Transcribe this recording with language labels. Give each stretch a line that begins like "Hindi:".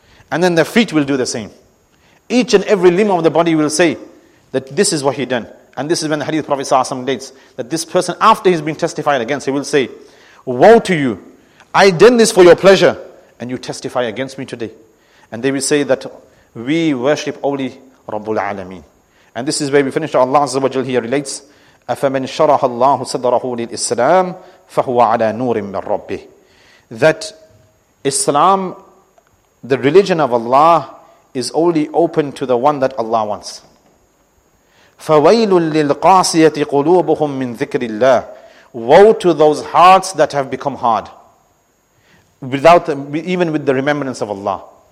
English: And then their feet will do the same. Each and every limb of the body will say that this is what he done. And this is when the Hadith Prophet ﷺ dates, that this person, after he's been testified against, he will say, woe to you, I done this for your pleasure, and you testify against me today. And they will say that we worship only Rabbul Alameen. And this is where we finish. Allah Azza wa Jalla here relates,
Arabic: أَفَمَنْ شَرَحَ اللَّهُ صَدَرَهُ لِلْإِسْلَامِ فَهُوَ عَلَىٰ نُورٍ مِّنْ رَبِّهِ.
English: That Islam, the religion of Allah, is only open to the one that Allah wants.
Arabic: فَوَيْلٌ لِلْقَاسِيَةِ قُلُوبُهُمْ مِّنْ ذِكْرِ اللَّهِ.
English: Woe to those hearts that have become hard, without even with the remembrance of Allah.